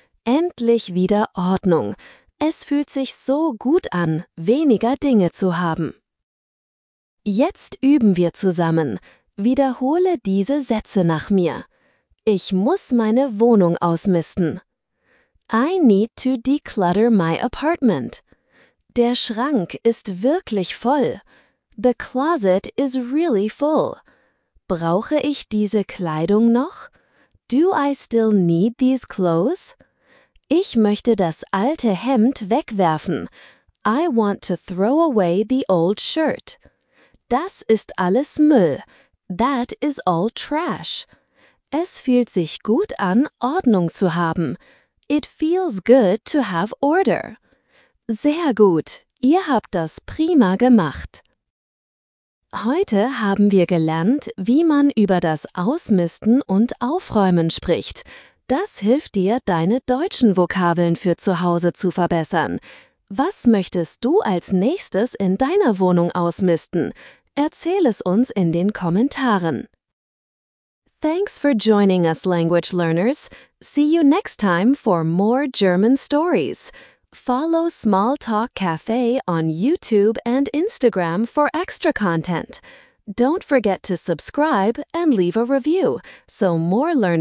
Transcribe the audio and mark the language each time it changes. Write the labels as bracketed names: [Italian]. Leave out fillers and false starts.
[German] Endlich wieder Ordnung. Es fühlt sich so gut an, weniger Dinge zu haben. Jetzt üben wir zusammen. Wiederhole diese Sätze nach mir. Ich muss meine Wohnung ausmisten. [English] I need to declutter my apartment. [German] Der Schrank ist wirklich voll. [English] The closet is really full. [German] Brauche ich diese Kleidung noch? [English] Do I still need these clothes? [German] Ich möchte das alte Hemd wegwerfen. [English] I want to throw away the old shirt. [German] Das ist alles Müll. [English] That is all trash. [German] Es fühlt sich gut an, Ordnung zu haben. [English] It feels good to have order. [German] Sehr gut. Ihr habt das prima gemacht. Heute haben wir gelernt, wie man über das Ausmisten und Aufräumen spricht. Das hilft dir, deine deutschen Vokabeln für zu Hause zu verbessern. Was möchtest du als nächstes in deiner Wohnung ausmisten? Erzähl es uns in den Kommentaren. [English] Thanks for joining us, language learners. See you next time for more German stories. Follow Small Talk Cafe on YouTube and Instagram for extra content. Don't forget to subscribe and leave a review so more learners can discover us. Visit smalltalkcafe.de.